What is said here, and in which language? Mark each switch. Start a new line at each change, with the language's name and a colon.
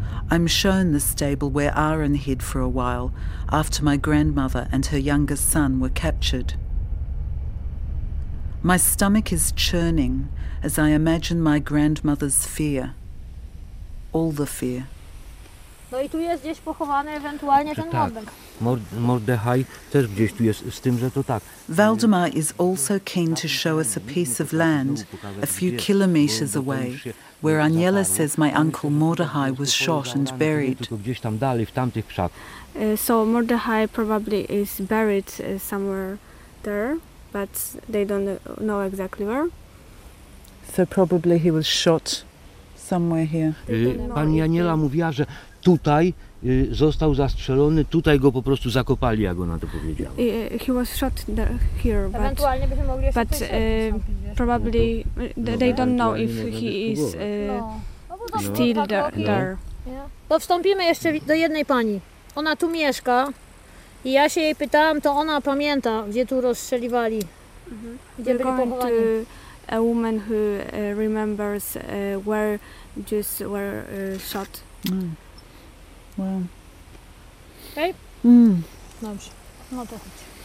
English: I'm shown the stable where Aaron hid for a while after my grandmother and her youngest son were captured. My stomach is churning as I imagine my grandmother's fear. All the fear.
Polish: No i tu jest gdzieś pochowany ewentualnie ten młodek. Tak. Mordechai też gdzieś tu jest z tym, że to tak.
English: Waldemar is also keen to show us a piece of land a few kilometers away where Aniela says my uncle Mordechai was shot and buried.
Polish: Gdzieś tam dalej, w tamtych krzakach.
English: So Mordechai probably is buried somewhere there. But they don't know exactly where. So probably he was shot somewhere here.
Polish: Pani Aniela mówiła, że tutaj został zastrzelony, tutaj go po prostu zakopali, jak ona to powiedziała.
English: He was shot here, but probably they don't know if he is still there.
Polish: To wstąpimy jeszcze do jednej pani. Ona tu mieszka. I ja się jej pytałam, to ona pamięta, gdzie tu rozstrzeliwali, gdzie byli pochowani.
English: To a woman who remembers where just were shot. Mm. Wow. Okay. Mm.
Polish: Dobrze. No to chodź.